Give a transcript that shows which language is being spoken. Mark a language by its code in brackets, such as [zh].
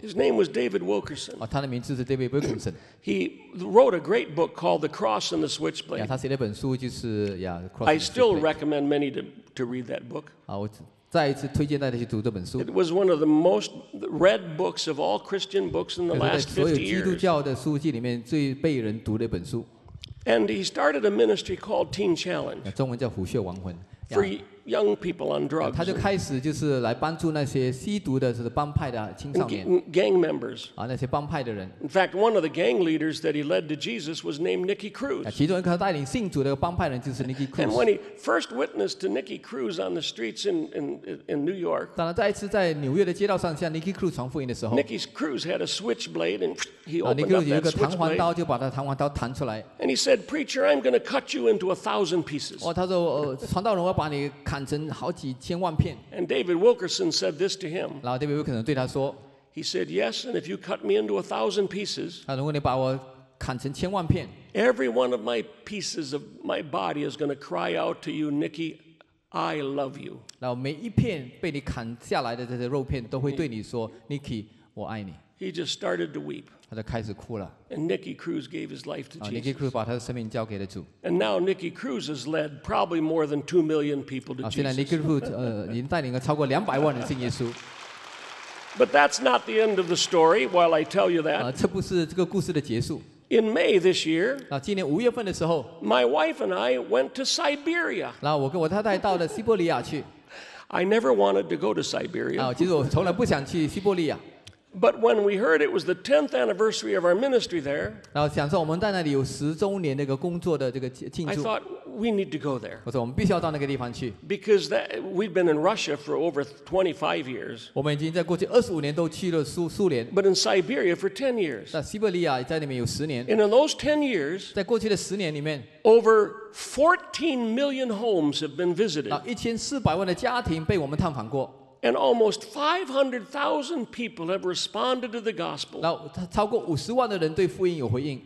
[en] His name was David Wilkerson. [zh] 哦，他的名字是 David Wilkerson. [en] He wrote a great book called The Cross and the Switchblade. [zh] 呀，他写了一本书，就是呀。 [en] I still recommend many to read that book. [zh] 啊，我再一次推荐大家去读这本书。 [en] It was one of the most read books of all Christian books in the last 50 years. [zh] 所有基督教的书籍里面最被人读的一本书。 [en] And he started a ministry called Teen Challenge. [zh] 中文叫虎穴亡魂。 [en] for young people on drugs. [zh] 他就开始就是来帮助那些吸毒的是帮派的青少年。 [en] Gang members. [zh] 啊，那些帮派的人。 [en] In fact, one of the gang leaders that he led to Jesus was named Nicky Cruz. [zh] 其中一个带领信主的帮派人就是 Nicky Cruz. [en] And when he first witnessed to Nicky Cruz on the streets in New York. [zh] 当他再一次在纽约的街道上向 Nicky Cruz 传福音的时候 [en] ，Nicky Cruz had a switchblade and he opened up that [zh] 有个弹簧刀就把他弹簧刀弹出来。 [en] And he said, "Preacher, I'm going to cut you into 1,000 pieces." [zh] 哦，他说，传道人，我要把你砍。 [en] And David Wilkerson said this to him. [zh] 然后 David Wilkerson 对他说 [en] ，He said, "Yes, and if you cut me into 1,000 pieces." [zh] 啊，如果你把我砍成千万片 [en] ，Every one of my pieces of my body is going to cry out to you, Nicky, I love you." [zh] 然后每一片被你砍下来的这些肉片都会对你说 ，Nicky, 我爱你。 [en] He just started to weep. [zh] 他就开始哭了。 [en] And Nicky Cruz gave his life to Jesus. [zh] Nicky Cruz 把他的生命交给了主。 [en] And now Nicky Cruz has led probably more than 2 million people to Jesus. [zh] 现在 Nicky Cruz 已经带领了超过200万人信耶稣。 [en] But that's not the end of the story. While I tell you that, [zh] 这不是这个故事的结束。 [en] In May this year, [zh] 啊，今年五月份的时候 [en] ，My wife and I went to Siberia. [zh] 然后我跟我太太到了西伯利亚去。 [en] I never wanted to go to Siberia. [zh] 啊，其实我从来不想去西伯利亚。 [en] But when we heard it was the 10th anniversary of our ministry there, [zh] 然后想说我们在那里有十周年那个工作的这个庆祝 [en] I thought we need to go there. [zh] 我说我们必须要到那个地方去 [en] Because we'd been in Russia for over 25 years. [zh] 我们已经在过去25年都去了苏联 [en] But in Siberia for 10 years. [zh] 在西伯利亚在里面有十年 [en] And in those 10 years, [zh] 在过去的十年里面 [en] over 14 million homes have been visited. [zh] 1400万的家庭被我们探访过。 [en] And almost 500,000 people have responded to the gospel. [zh] 然后超过50万的人对福音有回应。